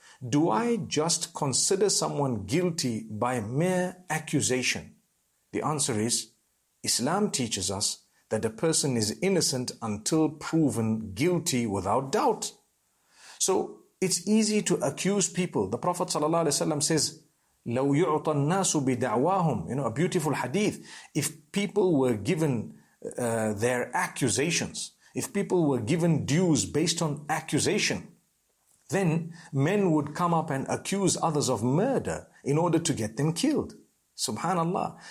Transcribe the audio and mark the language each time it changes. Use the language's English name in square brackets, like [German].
[English] Do I just consider someone guilty by mere accusation? The answer is, Islam teaches us that a person is innocent until proven guilty without doubt. So it's easy to accuse people. The Prophet ﷺ says, [Arabic] لَوْ يُعْطَ النَّاسُ بِدَعْوَاهُمْ. [English] You know, a beautiful hadith. If people were given their accusations, if people were given dues based on accusation, then men would come up and accuse others of murder in order to get them killed. Subhanallah.